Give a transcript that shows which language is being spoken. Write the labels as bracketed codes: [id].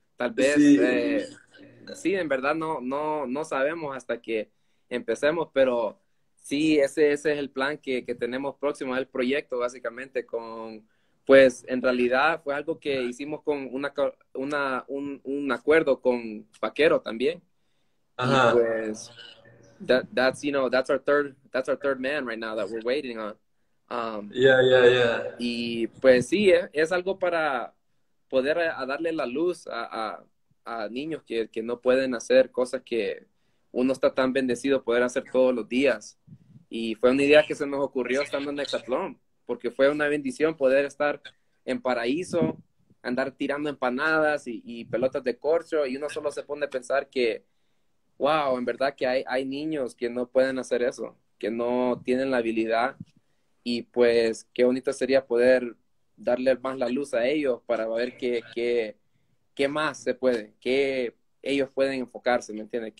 [es] Tal vez, sí, en verdad no sabemos hasta que empecemos, pero sí, ese es el plan que tenemos próximo, el proyecto básicamente con, pues en realidad fue algo que hicimos con un acuerdo con Vaquero también. Ajá. Y pues, [en] that's our third man right now that we're waiting on. Yeah. [es] Y pues sí, es algo para poder a darle la luz a niños que no pueden hacer cosas que uno está tan bendecido poder hacer todos los días. Y fue una idea que se nos ocurrió estando en Hecatlón, porque fue una bendición poder estar en Paraíso, andar tirando empanadas y pelotas de corcho, y uno solo se pone a pensar que, wow, en verdad que hay niños que no pueden hacer eso, que no tienen la habilidad, y pues qué bonito sería poder darle más la luz a ellos para ver qué más se puede, qué ellos pueden enfocarse, ¿me entiendes?